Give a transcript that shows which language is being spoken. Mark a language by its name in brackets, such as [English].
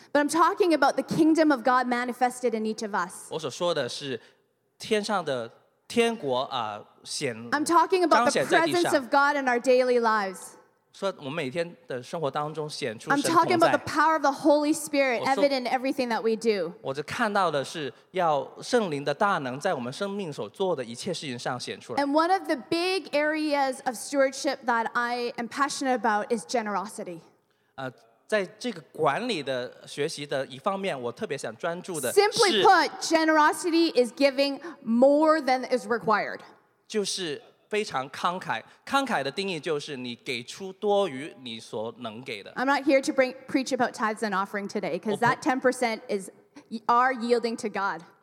[English] But I'm talking about the kingdom of God manifested in each of us. [Chinese] 我所说的是天上的天国 [English] I'm talking about the presence of God in our daily lives. I'm talking about the power of the Holy Spirit evident in everything that we do. [Chinese] 我就看到的是要圣灵的大能在我们生命所做的一切事情上显出来。 [English] And one of the big areas of stewardship that I am passionate about is generosity. [Chinese] 在这个管理的学习的一方面，我特别想专注的是。 [English] Simply put, generosity is giving more than is required. [Chinese] 就是。非常慷慨的定义就是你给出多于你所能给的。 [English] I'm not here to preach about tithes and offering today because that 10% is our yielding to God.